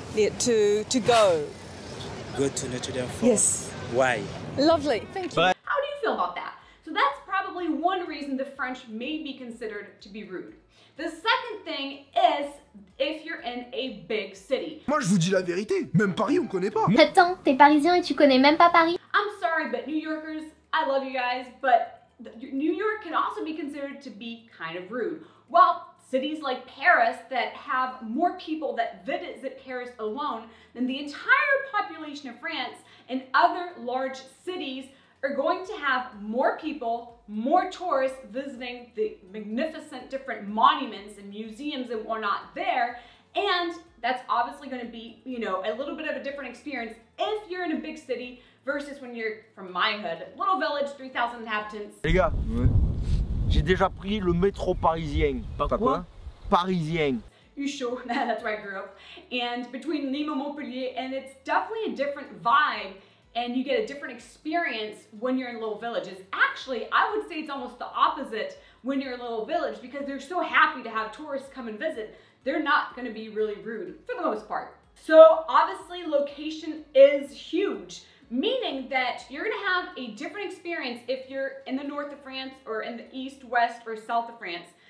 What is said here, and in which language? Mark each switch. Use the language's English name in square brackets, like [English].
[English] Yeah, to go. Go to Notre Dame for? Yes. Why? Lovely, thank you. Bye. About that. So that's probably one reason the French may be considered to be rude. The second thing is if you're in a big city. [French] Moi, je vous dis la vérité. Même Paris, on connaît pas. Attends, t'es parisien et tu connais même pas Paris? [English] I'm sorry, but New Yorkers, I love you guys, but New York can also be considered to be kind of rude. Well, cities like Paris that have more people that visit Paris alone than the entire population of France and other large cities are going to have more people, more tourists visiting the magnificent different monuments and museums and whatnot there. And that's obviously going to be, you know, a little bit of a different experience if you're in a big city versus when you're from my hood, little village, 3,000 inhabitants. [French] Les gars, j'ai déjà pris le métro parisien. Pas quoi? Parisien. [English] You sure? That's where I grew up. And between Lima, Montpellier, and it's definitely a different vibe. And you get a different experience when you're in little villages. Actually, I would say it's almost the opposite when you're in a little village, because they're so happy to have tourists come and visit. They're not gonna be really rude for the most part. So obviously location is huge, meaning that you're gonna have a different experience if you're in the north of France or in the east, west, or south of France.